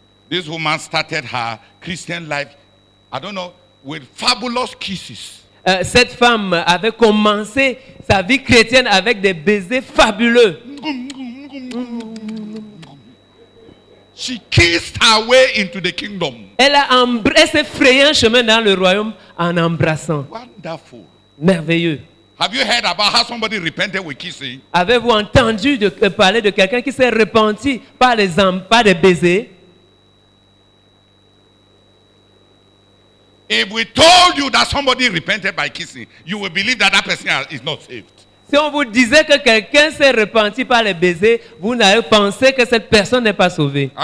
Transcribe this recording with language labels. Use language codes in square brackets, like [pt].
[en] This woman started her Christian life, I don't know, with fabulous kisses. [fr] Cette femme avait commencé sa vie chrétienne avec des baisers fabuleux. [en] She kissed her way into the kingdom. [fr] Elle s'est frayé un chemin dans le royaume en embrassant. [en] Wonderful. [fr] Merveilleux. [en] Have you heard about how somebody repented with kissing? [fr] Avez-vous entendu parler de quelqu'un qui s'est repenti par des baisers? [en] If we told you that somebody repented by kissing, you will believe that person is not saved. [fr] Si on vous disait que quelqu'un s'est repenti par les baisers, vous n'allez penser que cette personne n'est pas sauvée.